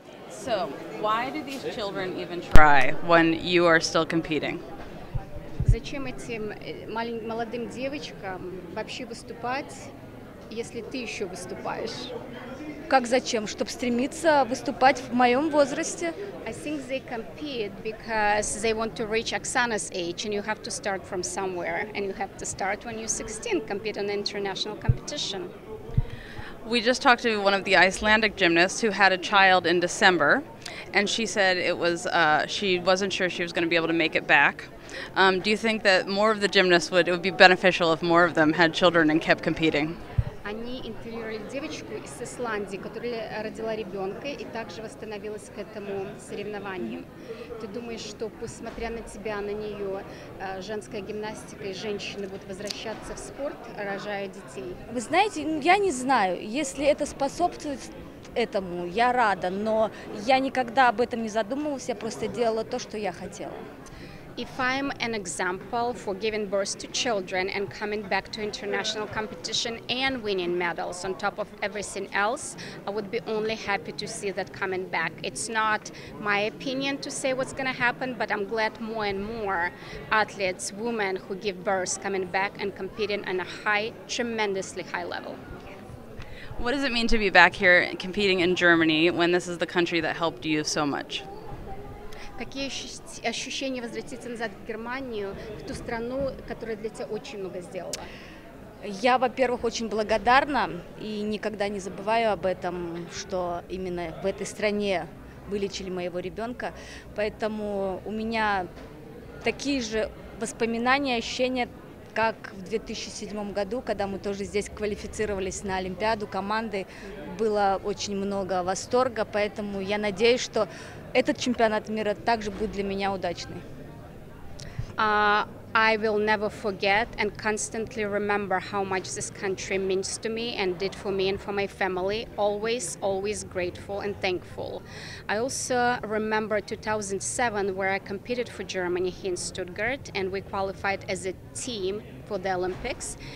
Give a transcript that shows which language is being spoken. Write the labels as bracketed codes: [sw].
[en] So why do these children even try when you are still competing? [ru] Зачем этим молодым девочкам вообще выступать, если ты еще выступаешь? Как зачем? Чтобы стремиться выступать в моем возрасте? [en] I think they compete because they want to reach Oksana's age, and you have to start from somewhere, and you have to start when you're 16, compete in international competition. We just talked to one of the Icelandic gymnasts who had a child in December, and she said it was she wasn't sure she was going to be able to make it back. Do you think that more of the gymnasts would be beneficial if more of them had children and kept competing? [ru] Они интервьюировали девочку из Исландии, которая родила ребенка и также восстановилась к этому соревнованию. Ты думаешь, что, посмотря на тебя, на нее, женская гимнастика и женщины будут возвращаться в спорт, рожая детей? Вы знаете, я не знаю. Если это способствует этому, я рада. Но я никогда об этом не задумывалась. Я просто делала то, что я хотела. [en] If I'm an example for giving birth to children and coming back to international competition and winning medals on top of everything else, I would be only happy to see that coming back. It's not my opinion to say what's going to happen, but I'm glad more and more athletes, women who give birth, coming back and competing on a high, tremendously high level. What does it mean to be back here competing in Germany when this is the country that helped you so much? [ru] Какие ощущения возвратиться назад в Германию, в ту страну, которая для тебя очень много сделала? Я, во-первых, очень благодарна и никогда не забываю об этом, что именно в этой стране вылечили моего ребенка. Поэтому у меня такие же воспоминания, ощущения, как в 2007 году, когда мы тоже здесь квалифицировались на Олимпиаду команды. Было очень много восторга, поэтому я надеюсь, что этот чемпионат мира также будет для меня удачный. [en] I will never forget and constantly remember how much this country means to me and did for me and for my family. Always, always grateful and thankful. I also remember 2007 where I competed for Germany here in Stuttgart and we qualified as a team for the Olympics.